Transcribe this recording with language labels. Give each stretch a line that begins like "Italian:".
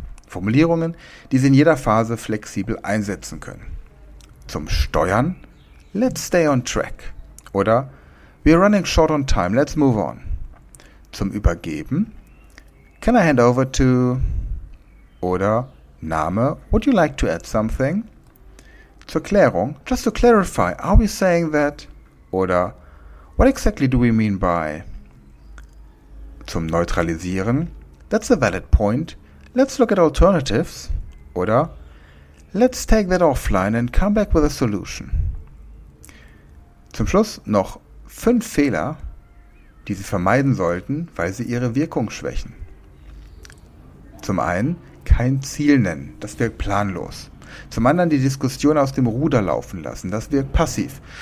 German: Formulierungen, die Sie in jeder Phase flexibel einsetzen können. Zum Steuern,
English: let's stay on track. Oder, we're running short on time, let's move on.
German: Zum Übergeben,
English: can I hand over to. Oder, Name, would you like to add something?
German: Zur Klärung,
English: just to clarify, are we saying that? Oder, what exactly do we mean by.
German: Zum Neutralisieren,
English: that's a valid point, let's look at alternatives. Oder, let's take that offline and come back with a solution.
German: Zum Schluss noch 5 Fehler, die Sie vermeiden sollten, weil sie Ihre Wirkung schwächen. Zum einen kein Ziel nennen, das wirkt planlos. Zum anderen die Diskussion aus dem Ruder laufen lassen, das wirkt passiv.